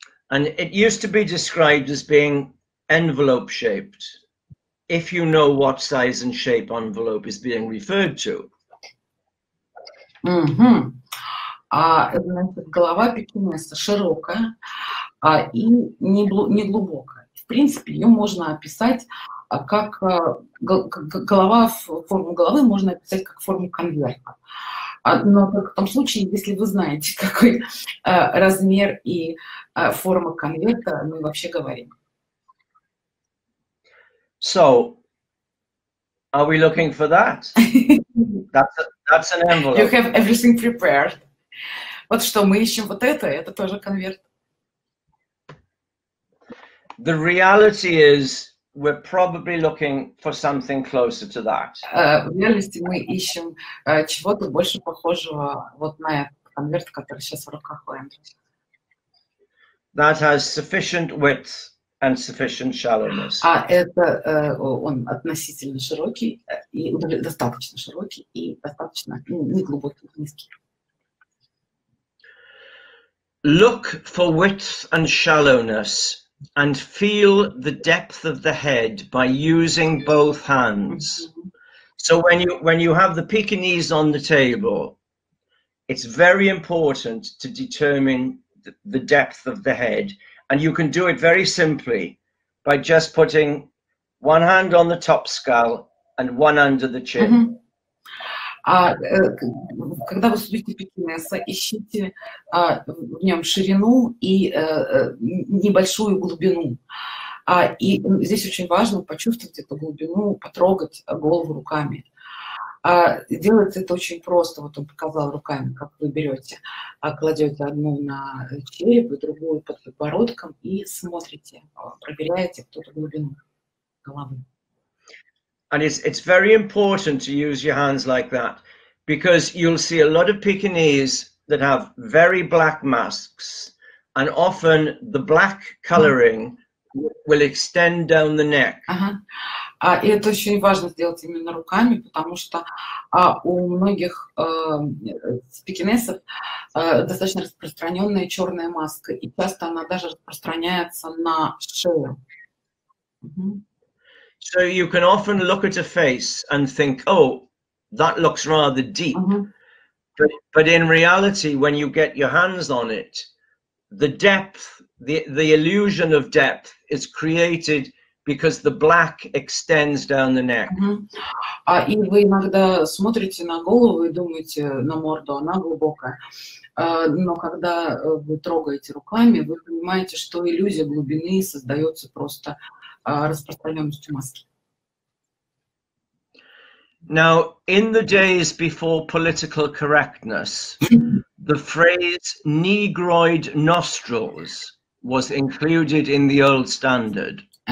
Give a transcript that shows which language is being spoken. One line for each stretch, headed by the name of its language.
English: And it used to be described as being envelope shaped, if you know what size and shape envelope is being referred to.
Russian: Значит, голова пекинеса широкая и не глубокая. В принципе, ее можно описать как голова, форму головы можно описать как форму конверта. Но в том случае, если вы знаете, какой размер и форма конверта мы вообще говорим.
English: So, are we looking for that? That's an envelope. You have everything prepared.
Russian: Вот что мы ищем, вот это тоже конверт.
English: The reality is, we're probably looking for something closer to that.
Russian: В реальности мы ищем чего-то больше похожего вот на этот конверт, который сейчас в руках у Эндрю.
English: That has sufficient width and sufficient shallowness.
Russian: А это он относительно широкий и достаточно широкий и достаточно не глубокий, не низкий.
English: Look for width and shallowness. And feel the depth of the head by using both hands. So when you have the Pekinese on the table, it's very important to determine the depth of the head. And you can do it very simply by just putting one hand on the top skull and one under the chin.
Russian: Когда вы судите пекинеса, ищите в нем ширину и небольшую глубину. И здесь очень важно почувствовать эту глубину, потрогать голову руками. Делается это очень просто. Вот он показал руками, как вы берете, кладете одну на череп, другую под подбородком и смотрите, проверяете эту глубину головы.
English: And it's very important to use your hands like that, because you'll see a lot of Pekinese that have very black masks, and often the black coloring will extend down the neck.
Russian: И это очень важно сделать именно руками, потому что у многих пекинесов достаточно распространенная черная маска, и часто она даже распространяется на шею.
English: So you can often look at a face and think, oh, that looks rather deep. But in reality, when you get your hands on it, the depth, the illusion of depth is created because the black extends down the neck.
Russian: И вы иногда смотрите на голову и думаете, на морду, она глубокая. Но когда вы трогаете руками, вы понимаете, что иллюзия глубины создается просто распространенностью маски.
English: Now, in the days before political correctness, the phrase negroid nostrils was included in the old standard.